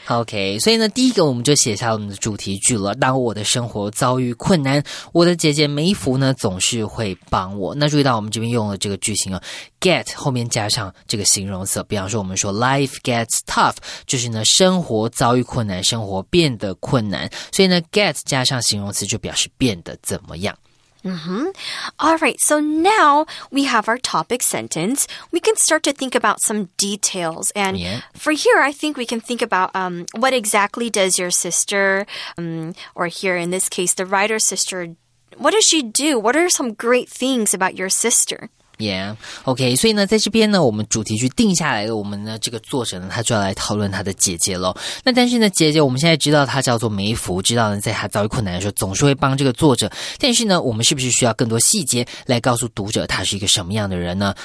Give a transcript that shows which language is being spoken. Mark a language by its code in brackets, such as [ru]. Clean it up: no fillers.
[zh] Okay, 所以呢，第一个我们就写下我们的主题句了。当我的生活遭遇困难，我的姐姐梅芙呢总是会帮我。那注意到我们这边用了这个句型啊 ，get 后面加上这个形容词。比方说，我们说 [en] life gets tough， [zh] 就是呢生活遭遇困难，生活变得困难。所以呢 ，get 加上形容词就表示变得怎么样。 Mm-hmm. [en] All right, so now we have our topic sentence. We can start to think about some details. And yeah. for here, I think we can think about what exactly does your sister, or here in this case, the writer's sister, what does she do? What are some great things about your sister? [zh] Yeah, OK, 所以呢在这边呢我们主题去定下来的我们的这个作者呢他就要来讨论他的姐姐咯。那但是呢姐姐我们现在知道她叫做梅芙，知道呢在她遭遇困难的时候总是会帮这个作者。但是呢我们是不是需要更多细节来告诉读者她是一个什么样的人呢？